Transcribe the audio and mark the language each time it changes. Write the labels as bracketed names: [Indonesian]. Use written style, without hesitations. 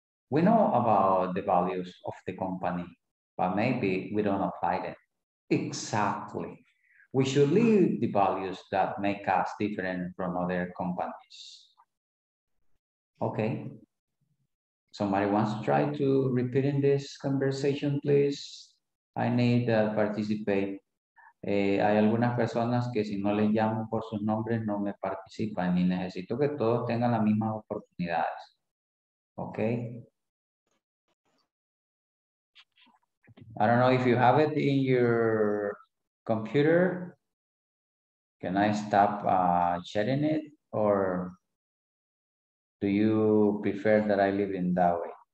[English] We know about the values of the company, but maybe we don't apply them. Exactly. We should live the values that make us different from other companies. Okay. Somebody wants to try to repeat in this conversation, please? I need to participate. [Spanish] Hay algunas personas que si no les llamo por sus nombres no me participan y necesito que todos tengan las mismas oportunidades. Okay. [English] I don't know if you have it in your computer. Can I stop sharing it, or do you prefer that I live in that way?